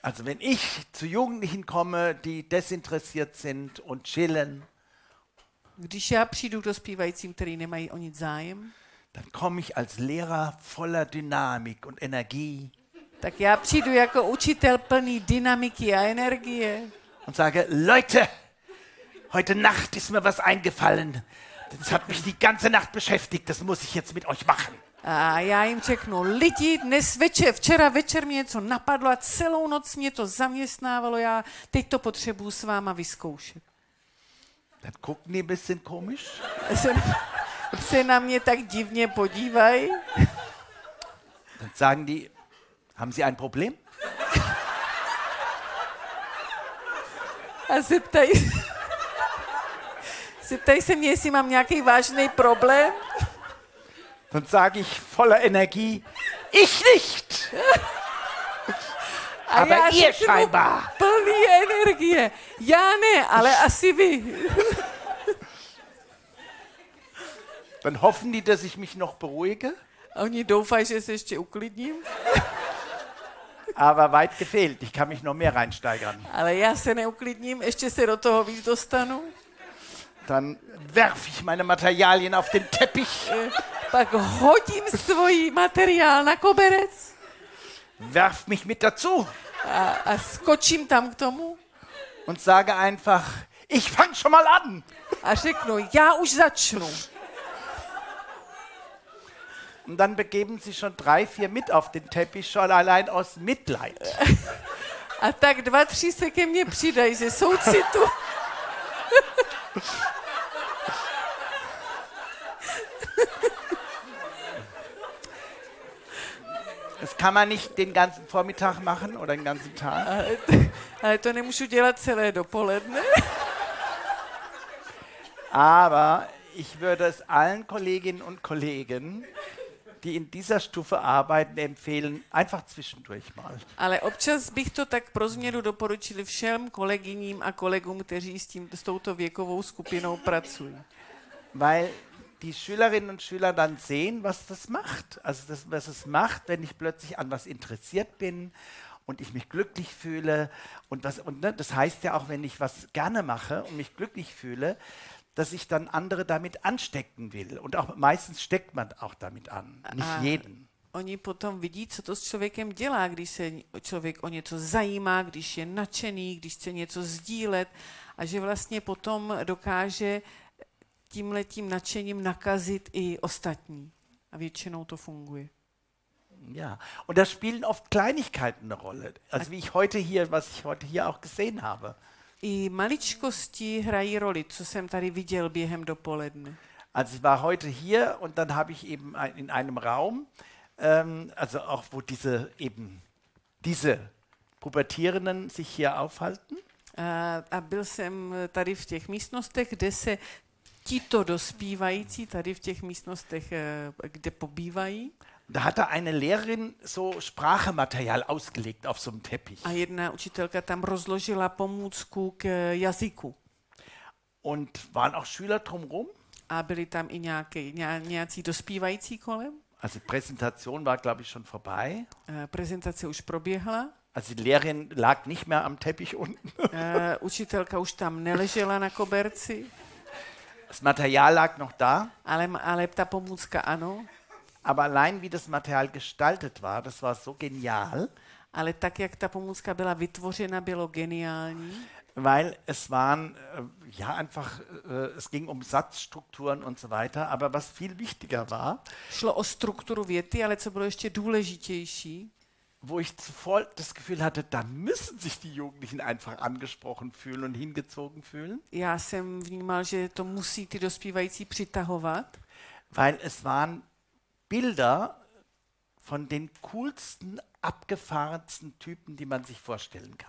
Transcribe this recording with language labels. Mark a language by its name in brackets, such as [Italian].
[German] Also wenn ich zu Jugendlichen komme, die desinteressiert sind und chillen, [Czech] když já přijdu k dospívajícím, který nemají o nic zájem, [German] dann komme ich als Lehrer voller Dynamik und Energie. [Czech] Tak já přijdu jako učitel plný dynamiky a energie. [German] Und sage, Leute, heute Nacht ist mir was eingefallen. Das hat mich die ganze Nacht beschäftigt, das muss ich jetzt mit euch machen. [Czech] A já jim řeknu, lidi, dnes večer, včera večer mě něco napadlo a celou noc mě to zaměstnávalo, já teď to potřebuju s váma vyzkoušet. [German] Dann gucken die ein bisschen komisch. [Czech] Se na mě tak divně podívají. [German] Dann sagen die, haben Sie ein Problem? [Czech] A zeptají se mě, jestli mám nějaký vážný problém. [German] Dann sage ich voller Energie, ich nicht. Aber ihr [Czech] řeknu, [German] scheinbar. [Czech] Plný energie. Já ne, ale asi vy. [German] Dann hoffen die, dass ich mich noch beruhige. [Czech] Oni doufaj, že se ještě uklidním. [German] Aber weit gefehlt, ich kann mich noch mehr reinsteigern. [Czech] Ale já se neuklidním, ještě se do toho víc dostanu. [German] Dann werf ich meine Materialien auf den Teppich. [Czech] Pak hodím svůj materiál na koberec. [German] Werf mich mit dazu. [Czech] A skočím tam k tomu. [German] Und sage einfach, ich fang schon mal an. [Czech] A řeknu, já už začnu. [German] Und dann begeben sie schon 3-4 mit auf den Teppich, schon allein aus Mitleid. [Czech] A tak 2-3 se ke mně přidají ze soucitu. [German] Das kann man nicht den ganzen Vormittag machen oder den ganzen Tag. [Czech] Ale to nemůžu dělat celé dopoledne. [German] Aber ich würde es allen Kolleginnen und Kollegen, die in dieser Stufe arbeiten, empfehlen, einfach zwischendurch mal. [Czech] Ale občas bych to tak pro změnu doporučil všem kolegyním a kolegům, kteří s touto věkovou skupinou pracují. [German] Weil die Schülerinnen und Schüler dann sehen, was das macht. Also das, was es macht, wenn ich plötzlich an was interessiert bin und ich mich glücklich fühle. Und, was, und ne, das heißt ja auch, wenn ich was gerne mache und mich glücklich fühle, dass ich dann andere damit anstecken will. Und auch meistens steckt man auch damit an, nicht jeden. [Czech] Oni potom vidí, co to s člověkem dělá, když se člověk o něco zajímá, když je nadšený, když chce něco sdílet a že vlastně potom dokáže tímhletím nadšením nakazit i ostatní. A většinou to funguje. [German] Ja, und da spielen oft Kleinigkeiten eine Rolle. Also wie ich heute hier, was ich heute hier auch gesehen habe. [Czech] I maličkosti hrají roli, co jsem tady viděl během dopoledne. [German] Also ich war heute hier und dann habe ich eben in einem Raum, also auch wo diese eben diese Pubertierenden sich hier aufhalten. [Czech] A byl jsem tady v těch místnostech, kde se tito dospívající tady v těch místnostech, kde pobývají. [German] Da hatte eine Lehrerin so Sprachematerial ausgelegt auf so einem Teppich. [Czech] A jedna učitelka tam rozložila pomůcku k jazyku. [German] Und waren auch Schüler drumherum? [Czech] A byli tam i nějací dospívající kolem? [German] Also Präsentation war, glaube ich, schon vorbei. [Czech] Präsentace už proběhla. [German] Also die Lehrerin lag nicht mehr am Teppich unten. [Czech] Učitelka už tam neležela na koberci. [German] Das Material lag noch da. [Czech] Ale ta pomůcka ano. [German] Aber allein wie das Material gestaltet war, das war so genial. [Czech] Ale tak jak ta pomůcka byla vytvořena, bylo geniální. [German] Weil es waren ja einfach es ging um Satzstrukturen und so weiter, aber was viel wichtiger war, [Czech] šlo o strukturu věty, ale co bylo ještě důležitější, [German] wo ich zuvor das Gefühl hatte, da müssen sich die Jugendlichen einfach angesprochen fühlen und hingezogen fühlen. [Czech] Já jsem vnímal, že to musí ty dospívající přitahovat. [German] Weil es waren Bilder von den coolsten, abgefahrensten Typen, die man sich vorstellen kann.